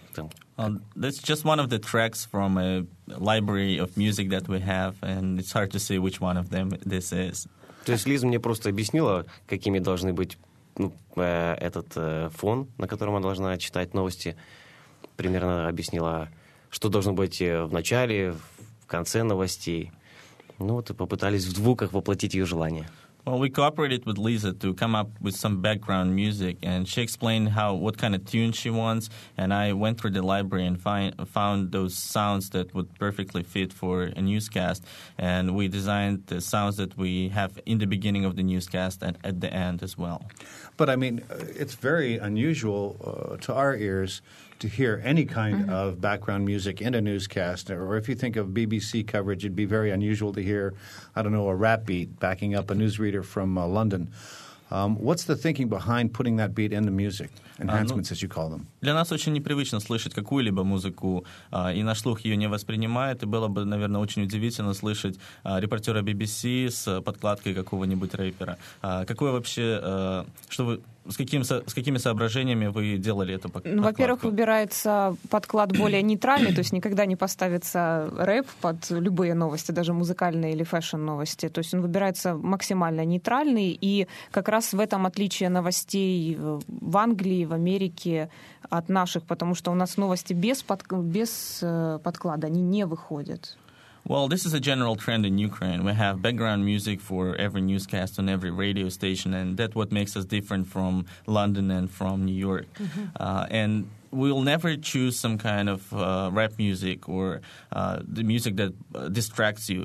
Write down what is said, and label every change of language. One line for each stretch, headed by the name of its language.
English: That's just one of the tracks from a library of music that we have, and it's hard to say which one of them this is.
Russian: То есть Лиза мне просто объяснила, какими должны быть фон, на котором она должна читать новости. Примерно объяснила, что должно быть в начале, в конце новостей. Ну вот и попытались в звуках воплотить ее желание.
English: Well, we cooperated with Lisa to come up with some background music, and she explained how what kind of tune she wants, and I went through the library and found those sounds that would perfectly fit for a newscast, and we designed the sounds that we have in the beginning of the newscast and at the end as well. But, I mean, it's very unusual to our ears to hear any kind mm-hmm. of background music in a newscast. Or if you think of BBC coverage, it'd be very unusual to hear, I don't know, a rap beat backing up a newsreader from London. What's the thinking behind putting that beat in the music? Enhancements, as you call them.
Russian: Для нас очень непривычно слышать какую-либо музыку, и наш слух ее не воспринимает, и было бы, наверное, очень удивительно слышать репортера BBC с подкладкой какого-нибудь рэпера. Какое вообще, что вы... С какими соображениями вы делали эту подкладку? Ну, во-первых, выбирается подклад более нейтральный, то есть никогда не поставится рэп под любые новости, даже музыкальные или фэшн-новости. То есть он выбирается максимально нейтральный, и как раз в этом отличие новостей в Англии, в Америке от наших, потому что у нас новости без подклада, они не выходят.
English: Well, this is a general trend in Ukraine. We have background music for every newscast on every radio station, and that's what makes us different from London and from New York. Mm-hmm. And we'll never choose some kind of rap music or the music that distracts you.